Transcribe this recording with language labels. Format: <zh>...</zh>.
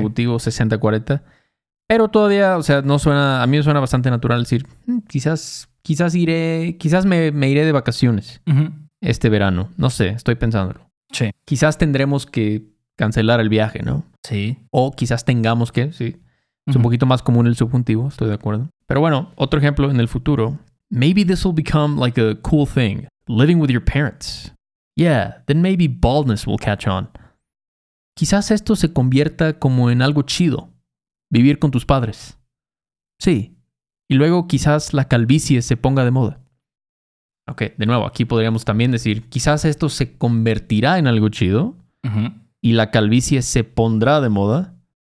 <es>Consecutivo 60-40. Pero todavía, o sea, no suena, a mí me suena bastante natural decir quizás me iré de vacaciones este verano. No sé, estoy pensándolo. Sí. Quizás tendremos que cancelar el viaje, ¿no? Sí. O quizás tengamos que, sí. Es un poquito más común el subjuntivo, estoy de acuerdo. Pero bueno, otro ejemplo en el futuro.</es> <en>Maybe this will become like a cool thing. Living with your parents. Yeah, then maybe baldness will catch on.</en> <es>Quizás esto se convierta como en algo chido. Vivir con tus padres. Sí. Y luego quizás la calvicie se ponga de moda. Ok, de nuevo, aquí podríamos también decir, quizás esto se convertirá en algo chido y la calvicie se pondrá de moda.</es>